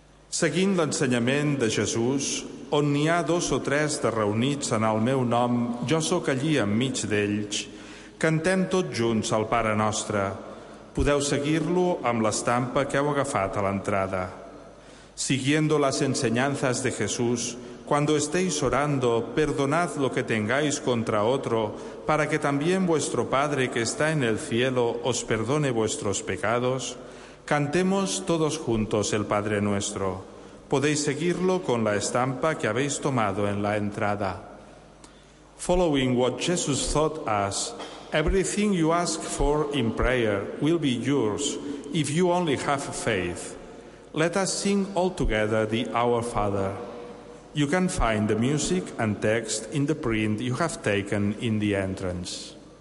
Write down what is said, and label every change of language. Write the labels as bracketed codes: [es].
[ca] Seguint l'ensenyament de Jesús, on n'hi ha dos o tres de reunits en el meu nom, jo sóc allí enmig d'ells, cantem tots junts el Pare Nostre. Podeu seguir-lo amb l'estampa que heu agafat a l'entrada. [es] Siguiendo las enseñanzas de Jesús, cuando estéis orando, perdonad lo que tengáis contra otro, para que también vuestro Padre que está en el cielo os perdone vuestros pecados, cantemos todos juntos el Padre Nuestro. Podéis seguirlo con la estampa que habéis tomado en la entrada. [en] Following what Jesus taught us, everything you ask for in prayer will be yours if you only have faith. Let us sing all together the Our Father. You can find the music and text in the print you have taken in the entrance.